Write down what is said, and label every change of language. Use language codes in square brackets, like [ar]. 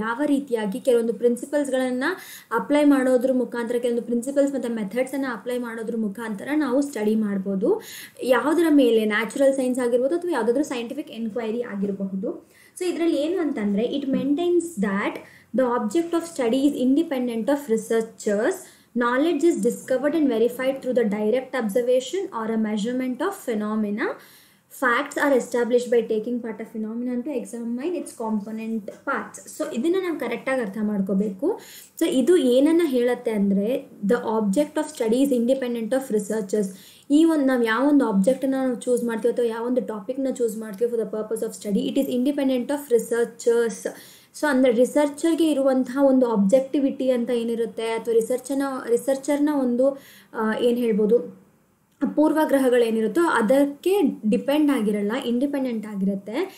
[kn] ಯಾವ ರೀತಿಯಾಗಿ ಕೆಲವೊಂದು ಪ್ರಿನ್ಸಿಪಲ್ಸ್ಗಳನ್ನು ಅಪ್ಲೈ ಮಾಡೋದ್ರ ಮುಖಾಂತರ, ಕೆಲವೊಂದು ಪ್ರಿನ್ಸಿಪಲ್ಸ್ ಮತ್ತು ಮೆಥಡ್ಸನ್ನು ಅಪ್ಲೈ ಮಾಡೋದ್ರ ಮುಖಾಂತರ ನಾವು ಸ್ಟಡಿ ಮಾಡ್ಬೋದು. ಯಾವುದರ ಮೇಲೆ, ನ್ಯಾಚುರಲ್ ಸೈನ್ಸ್ ಆಗಿರ್ಬೋದು ಅಥವಾ ಯಾವುದಾದ್ರೂ ಸೈಂಟಿಫಿಕ್ ಎನ್ಕ್ವೈರಿ ಆಗಿರಬಹುದು. ಸೊ ಇದರಲ್ಲಿ ಏನು ಅಂತಂದರೆ, [en] It maintains that the object of study is independent of researchers. Knowledge is discovered and verified through the direct observation or a measurement of phenomena. Facts are established by taking part of phenomena to examine its component parts. [kn] So, ಇದನ್ನು ನಾವು ಕರೆಕ್ಟಾಗಿ ಅರ್ಥ ಮಾಡ್ಕೋಬೇಕು. So ಇದು ಏನನ್ನು ಹೇಳುತ್ತೆ ಅಂದರೆ, [en] The object of study is independent of researchers. [kn] ಈ ಒಂದು ನಾವು ಯಾವ ಒಂದು ಆಬ್ಜೆಕ್ಟನ್ನು ನಾವು ಚೂಸ್ ಮಾಡ್ತೀವಿ ಅಥವಾ ಯಾವ ಒಂದು ಟಾಪಿಕ್ನ ಚೂಸ್ ಮಾಡ್ತೀವಿ for the purpose of study, [en] It is independent of researchers. [kn] So ಅಂದರೆ ರಿಸರ್ಚರ್ಗೆ ಇರುವಂತಹ ಒಂದು ಆಬ್ಜೆಕ್ಟಿವಿಟಿ ಅಂತ ಏನಿರುತ್ತೆ, ಅಥವಾ ರಿಸರ್ಚರ್ನ ಒಂದು ಏನು ಹೇಳ್ಬೋದು ಪೂರ್ವಗ್ರಹಗಳೇನಿರುತ್ತೋ ಅದಕ್ಕೆ ಡಿಪೆಂಡ್ ಆಗಿರಲ್ಲ, ಇಂಡಿಪೆಂಡೆಂಟ್ ಆಗಿರುತ್ತೆ.